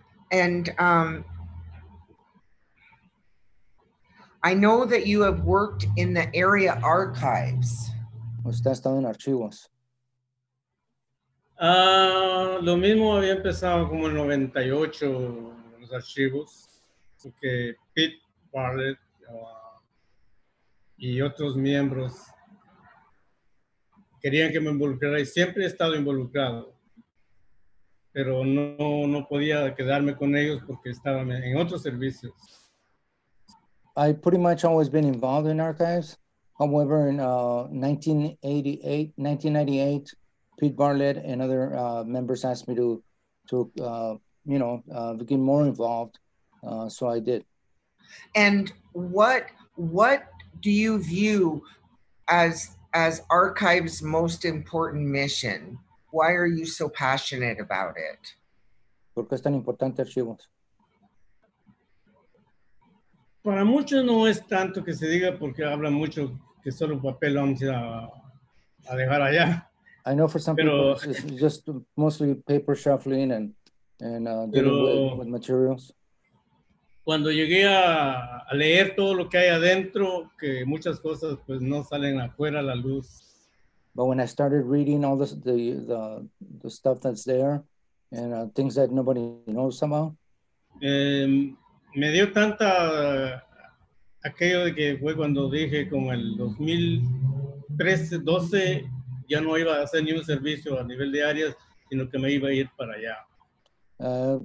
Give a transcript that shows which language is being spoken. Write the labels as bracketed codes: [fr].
[en] And I know that you have worked in the area archives. [es] Usted está en archivos. Lo mismo había empezado como en 98 los archivos, porque Pete Barlett y otros miembros querían que me involucrara y siempre he estado involucrado, pero no podía quedarme con ellos porque estaba en otros servicios. [en] I pretty much always been involved in archives. However, in 1998, Pete Barlett and other members asked me to get more involved, so I did. And what do you view as Archive's most important mission? Why are you so passionate about it? [es] ¿Por qué es tan importante Archivos? Para muchos no es tanto que se diga porque habla mucho que solo papel vamos a dejar allá. [en] I know for some people it's just mostly paper shuffling and dealing with materials. [es] Cuando llegué a leer todo lo que hay adentro, que muchas cosas pues no salen afuera a la luz. [en] But when I started reading all the stuff that's there and things that nobody knows about, [es] me dio tanta aquello de que fue cuando dije como el 2013-12 ya no iba a hacer ni un servicio a nivel de áreas, sino que me iba a ir para allá.